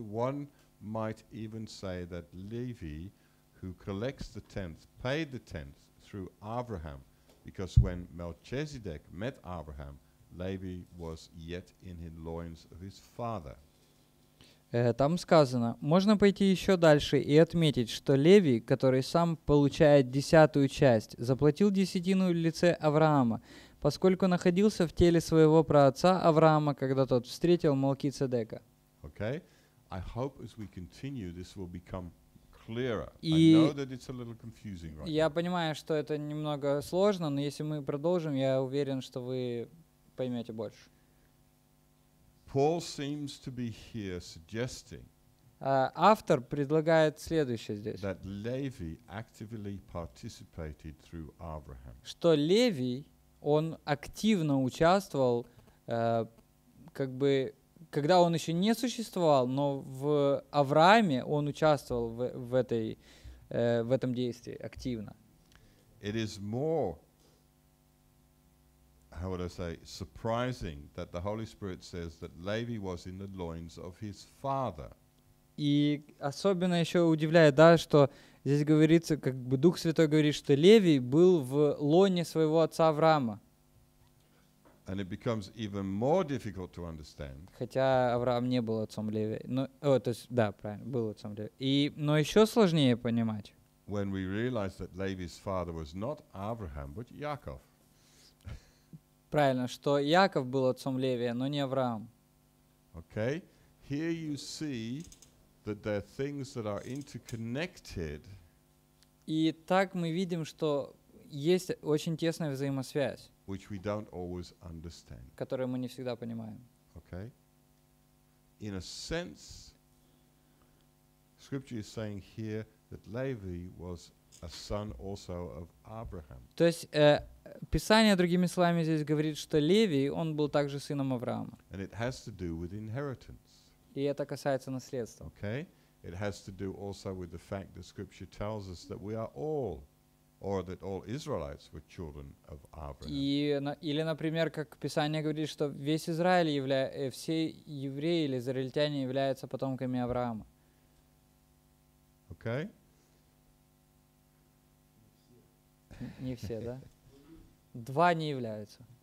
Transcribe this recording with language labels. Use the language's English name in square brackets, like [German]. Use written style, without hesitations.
[English] One might even say that Levi, who collects the tenth, paid the tenth through Abraham, because when Melchizedek met Abraham, Levi was yet in the loins of his father. [Russian] Там сказано, можно пойти еще дальше и отметить, что Леви, который сам получает десятую часть, заплатил десятину в лице Авраама, поскольку находился в теле своего праотца Авраама, когда тот встретил Мелхиседека. [English] Okay. I hope as we continue this will become clearer. [Russian] И [English] I know that it's a little confusing right [Russian] я [English] now. [Russian] Понимаю, что это немного сложно, но если мы продолжим, я уверен, что вы поймете больше. [English] Paul seems to be here suggesting [Russian] Автор предлагает следующее здесь. [English] That Levi actively participated through Abraham. [Russian] Что Леви, он активно участвовал, как бы, когда он еще не существовал, но в Аврааме он участвовал в этом действии активно. [English] It is more, how would I say, surprising that the Holy Spirit says that Levi was in the loins of his father. [Russian] И особенно еще удивляет, да, что здесь говорится, как бы Дух Святой говорит, что Леви был в лоне своего отца Авраама. [English] And it becomes even more difficult to understand. [Russian] Хотя Авраам не был отцом Леви, но, о, то есть, да, правильно, был отцом Леви. И, но еще сложнее понимать. [English] When we realize that Levi's father was not Abraham, but Yaakov. [Russian] Правильно, что Яков был отцом Левия, но не Авраам. [English] Okay, here you see that there are things that are interconnected. [Russian] И так мы видим, что есть очень тесная взаимосвязь, [English] which we don't always understand. [Russian] Которую мы не всегда понимаем. [English] Okay. In a sense, scripture is saying here that Levi was a son also of Abraham. [Russian] То есть Писание другими словами здесь говорит, что Леви, он был также сыном Авраама. [English] And it has to do with inheritance. [Russian] И это касается наследства. [English] Okay. It has to do also with the fact that scripture tells us that we are all, or that all Israelites were children of Abraham. [Russian] И или, например, как Писание говорит, что весь Израиль является, все евреи или израильтяне являются потомками Авраама. [English] Okay. [Russian] Не все, да? Два не являются.